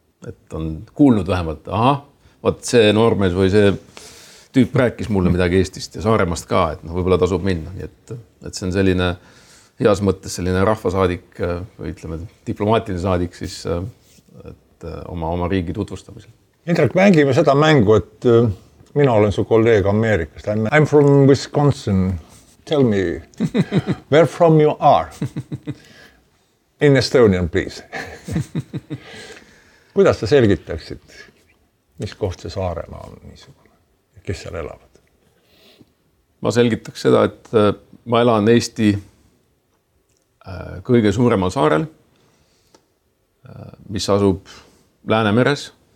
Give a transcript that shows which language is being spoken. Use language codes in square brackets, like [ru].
[et] Et on kuulnud vähemalt, vaat see noormees või see tüüp rääkis mulle midagi Eestist ja Saaremast ka, et noh, võibolla tasub minna. Et see on selline heas mõttes selline rahvasaadik või ütleme diplomaatiline saadik siis et oma riigi tutvustamisel. Indrek, mängime seda mängu, et... Mina olen su kolleeg Ameerikast. [en] I'm from Wisconsin. Tell me, where from you are? In Estonian, please. [et] Kuidas sa selgitaksid, mis koht see Saaremaa on niisugune? Ja kes seal elavad? Ma selgitaks seda, et ma elan Eesti kõige suuremal saarel, mis asub Läänemeres.